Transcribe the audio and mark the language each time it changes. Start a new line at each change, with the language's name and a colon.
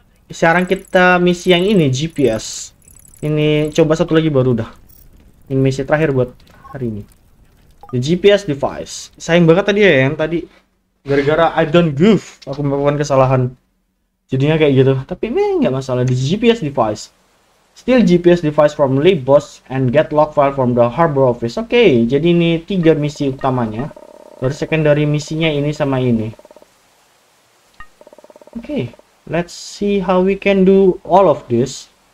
Indonesian: Sekarang kita misi yang ini, GPS. Ini coba satu lagi baru dah. Ini misi terakhir buat hari ini.
English: The GPS device.
Indonesian: Sayang banget tadi ya yang tadi. Gara-gara
English: I don't give.
Indonesian: Aku melakukan kesalahan. Jadinya kayak gitu. Tapi ini nggak masalah.
English: The GPS device. Steal GPS device from lead boss and get log file from the harbor office.
Indonesian: Oke, okay, jadi ini tiga misi utamanya. Baru secondary misinya ini sama ini.
English: Oke, okay, let's see how we can do all of this.